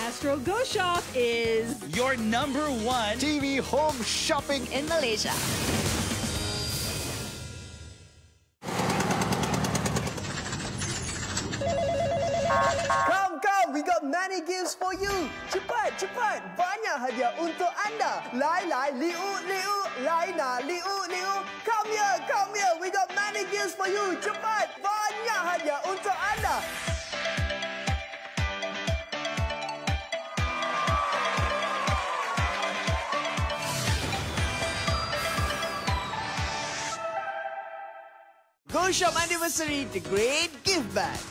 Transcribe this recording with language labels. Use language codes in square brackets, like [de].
[en] Astro Go Shop is your number one TV home shopping in Malaysia. Come, come, we got many gifts for you. [ms] Cepat, cepat, banyak hadiah untuk anda. Lai, lai, liu, liu, lai, na, liu, liu. [en] Come here, come here, we got many gifts for you. [ms] Cepat, banyak hadiah untuk anda. [en] GoShop Anniversary The Great Gift Bag.